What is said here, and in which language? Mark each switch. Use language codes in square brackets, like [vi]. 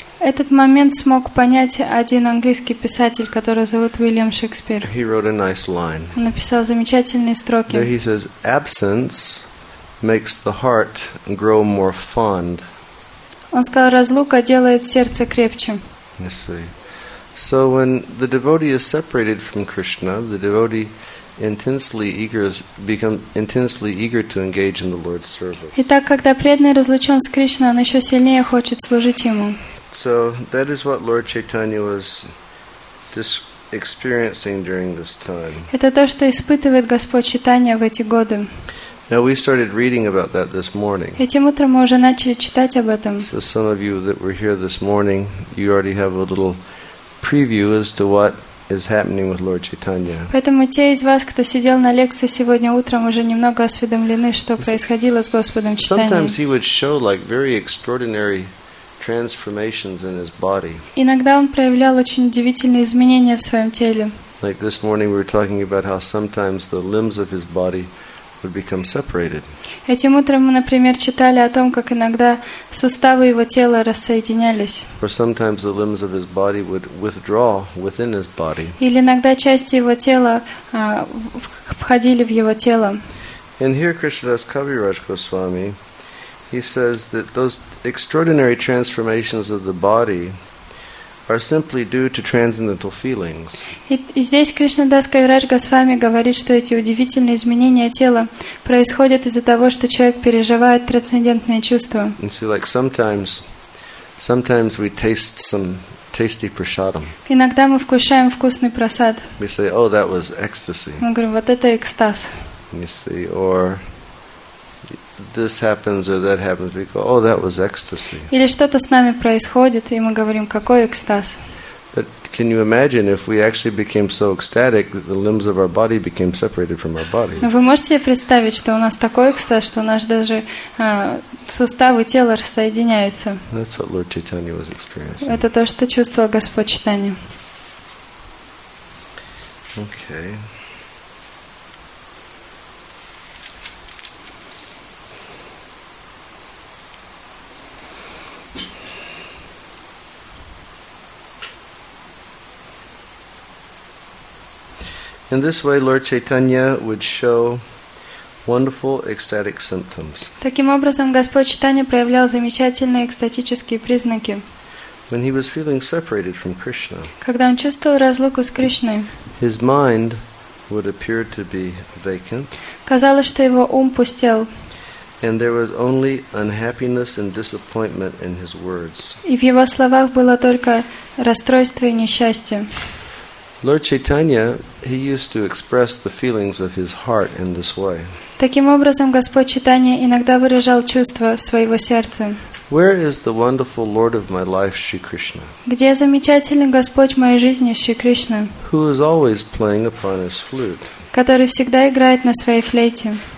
[ru] Этот момент смог понять один английский писатель, которого зовут Уильям Шекспир. [en] He wrote a nice line. [ru] Он написал замечательные строки. [en] There he says, "Absence makes the heart grow more fond." [ru] Он сказал, разлука делает сердце крепче. [en] Let's see. So when the devotee is separated from Krishna, the devotee becomes intensely eager to engage in the Lord's service. [ru] Итак, когда преданный разлучен с Кришной, он еще сильнее хочет служить ему. [en] So that is what Lord Chaitanya was experiencing during this time. [ru] Это то, что испытывает Господь Читания в эти годы. [en] Now we started reading about that this morning. [ru] Этим утром мы уже начали читать об этом. [en] So some of you that were here this morning, you already have a little preview as to what is happening with Lord Chaitanya. [ru] Поэтому те из вас, кто сидел на лекции сегодня утром, уже немного осведомлены, что происходило с Господом Читанием. [en] Sometimes he would show like very extraordinary transformations in his body. [ru] Иногда он проявлял очень удивительные изменения в своем теле. [en] Like this morning we were talking about how sometimes the limbs of his body would become separated. [ru] Этим утром мы, например, читали о том, как иногда суставы его тела рассоединялись. [en] Or sometimes the limbs of his body would withdraw within his body. [ru] Или иногда части его тела входили в его тело. [en] And here Krishnadas Kaviraj Goswami, he says that those extraordinary transformations of the body are simply due to transcendental feelings. [ru] И здесь Кришнадас Кавирадж Госвами говорит, что эти удивительные изменения тела происходят из-за того, что человек переживает трансцендентные чувства. [en] And see, like sometimes we taste some tasty prasadam. [ru] Иногда мы вкушаем вкусный прасад. [en] We say, "Oh, that was ecstasy." [ru] Мы говорим, вот это экстаз. [en] You see, or this happens or that happens, we go, "Oh, that was ecstasy." [ru] Или что-то с нами происходит, и мы говорим, какой экстаз. [en] But can you imagine if we actually became so ecstatic that the limbs of our body became separated from our body? [ru] Но вы можете представить, что у нас такой экстаз, что у нас даже суставы тела соединяются? [en] That's what Lord Chaitanya was experiencing. [ru] Это то, что чувствовал Господь Читания. [en] Okay. In this way, Lord Chaitanya would show wonderful ecstatic symptoms. [ru] Таким образом, Господь Читания проявлял замечательные экстатические признаки. [en] When he was feeling separated from Krishna, [ru] когда он чувствовал разлуку с Кришной, [en] his mind would appear to be vacant. [ru] Казалось, что его ум пустел. [en] And there was only unhappiness and disappointment in his words. [ru] И в его словах было только расстройство и несчастье. [en] Lord Chaitanya, he used to express the feelings of his heart in this way. [ru] Таким образом, Господь Читания иногда выражал чувства своего сердца. [en] Where is the wonderful Lord of my life, Shri Krishna? [ru] Где замечательный Господь моей жизни, Шри Кришна? [en] Who is always playing upon his flute? [ru] Который всегда играет на своей флейте.